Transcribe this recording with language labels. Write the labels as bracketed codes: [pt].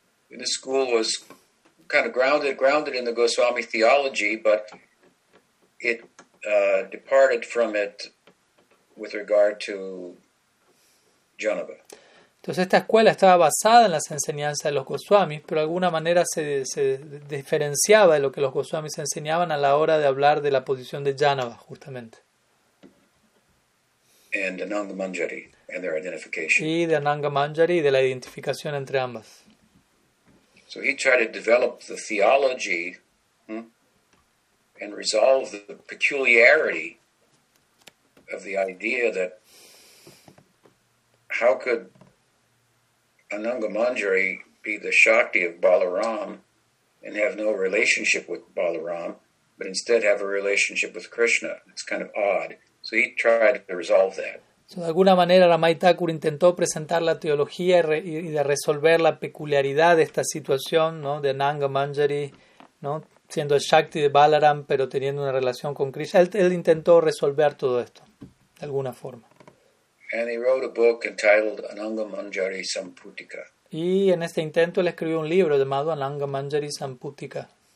[en] The school was kind of grounded in the Goswami theology, but it departed from it with regard to Janava. [es] Entonces esta escuela estaba basada en las enseñanzas de los Goswamis, pero de alguna manera se diferenciaba de lo que los Goswamis enseñaban a la hora de hablar de la posición de Janava, justamente. [en] And Ananga Manjari and their identification. [es] Y de Ananga Manjari y de la identificación entre ambas. [en] So he tried to develop the theology and resolve the peculiarity of the idea that how could Ananga Manjari be the Shakti of Balaram and have no relationship with Balaram, but instead have a relationship with Krishna. It's kind of odd. So he tried to resolve that. [es] So de alguna manera Ramai Thakur intentó presentar la teología y de resolver la peculiaridad de esta situación, ¿no? De Ananga Manjari, ¿no? Siendo el Shakti de Balaram, pero teniendo una relación con Krishna. Él intentó resolver todo esto de alguna forma. [en] And he wrote a book entitled Ananga Manjari Samputika. [es] Y en este intento él escribió un libro llamado Ananga Manjari Samputika.